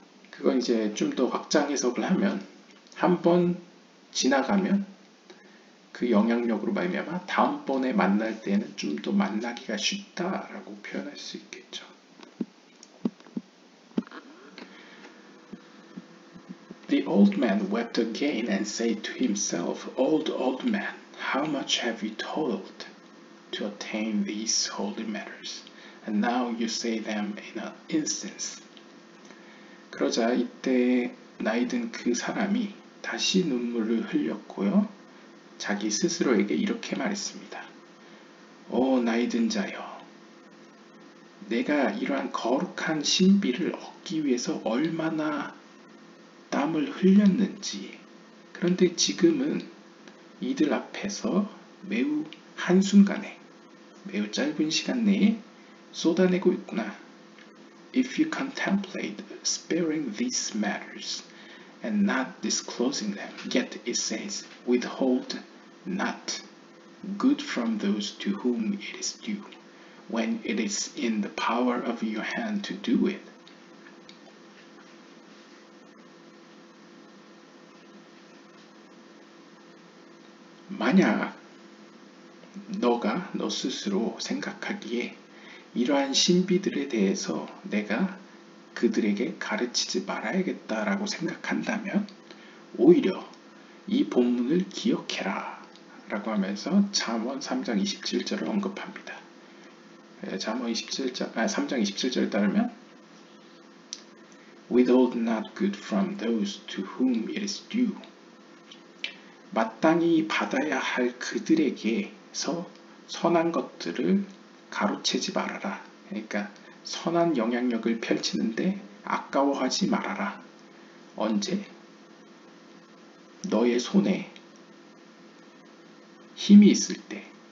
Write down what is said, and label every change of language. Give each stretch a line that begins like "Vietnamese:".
Korean: 그건 이제 좀 더 확장 해석을 하면 한 번 지나가면 그 영향력으로 말미암아 다음번에 만날 때는 좀 더 만나기가 쉽다라고 표현할 수 있겠죠.
English: 'The old man wept again and said to himself, "Old, old man, how much have you toiled to attain these holy matters, and now you say them in an instant?"
Korean: 그러자 이때 나이 든 그 사람이 다시 눈물을 흘렸고요. 자기 스스로에게 이렇게 말했습니다. 오 나이 든 자여, 내가 이러한 거룩한 신비를 얻기 위해서 얼마나 땀을 흘렸는지, 그런데 지금은 이들 앞에서 매우 한순간에, 매우 짧은 시간 내에 쏟아내고 있구나.
English: If you contemplate sparing these matters and not disclosing them, yet it says, withhold not good from those to whom it is due, when it is in the power of your hand to do it.
Korean: 만약 너가 너 스스로 생각하기에 이러한 신비들에 대해서 내가 그들에게 가르치지 말아야겠다라고 생각한다면 오히려 이 본문을 기억해라 라고 하면서 잠언 3장 27절을 언급합니다. 잠언 3장 27절에 따르면
English: withhold not good from those to whom it is due.
Korean: 마땅히 받아야 할 그들에게서 선한 것들을 가로채지 말아라. 그러니까 선한 영향력을 펼치는데 아까워하지 말아라. 언제? 너의 손에 힘이 있을 때.